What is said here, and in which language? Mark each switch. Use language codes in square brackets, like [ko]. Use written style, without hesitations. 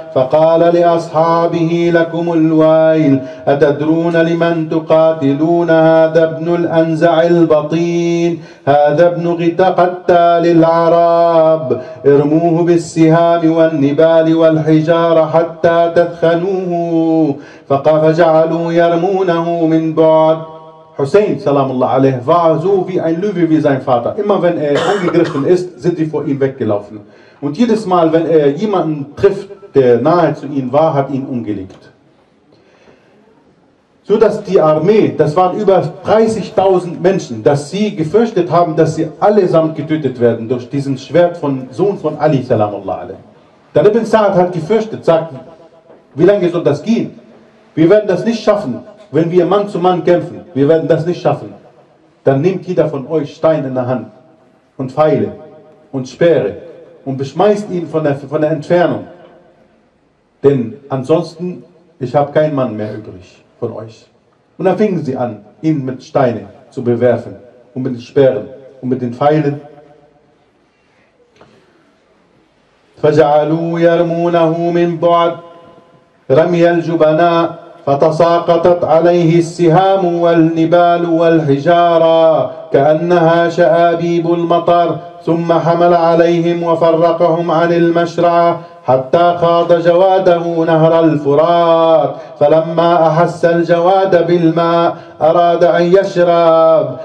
[ar] فقال لأصحابه لكم الويل أتدرون لمن تقاتلون هذا ابن الأنزع البطين هذا ابن قتال العرب ارموه بالسهام والنبال والحجارة حتى تثخنوه فقف جعلوا يرمونه من بعد [de] Hussein, [ar] salamullah alayhi, [de] war so wie ein Löwe wie sein Vater. Immer wenn er angegriffen ist, sind sie vor ihm weggelaufen. Und jedes Mal, wenn er jemanden trifft, der nahe zu ihm war, hat ihn umgelegt. So dass die Armee, das waren über 30.000 Menschen, dass sie gefürchtet haben, dass sie allesamt getötet werden durch diesen Schwert von Sohn von Ali, [ar] salamullah alayhi. [de] Dann Ibn Sa'ad hat gefürchtet, sagt, wie lange soll das gehen? Wir werden das nicht schaffen. Wenn wir Mann zu Mann kämpfen, wir werden das nicht schaffen, dann nehmt jeder von euch Stein in der Hand und Pfeile und Speere und beschmeißt ihn von der Entfernung. Denn ansonsten, ich habe keinen Mann mehr übrig von euch. Und dann fingen sie an, ihn mit Steinen zu bewerfen und mit den Speeren und mit den Pfeilen. [ar] فَجَعَلُوا يَرْمُونَهُ مِنْ بُعَدْ رَمِيَ الْجُبَنَاءِ فتساقطت عليه السهام والنبال والحجارة كأنها شآبيب المطر ثم حمل عليهم وفرقهم عن المشرعة حتى خاض جواده نهر الفرات فلما أحس الجواد بالماء أراد أن يشرب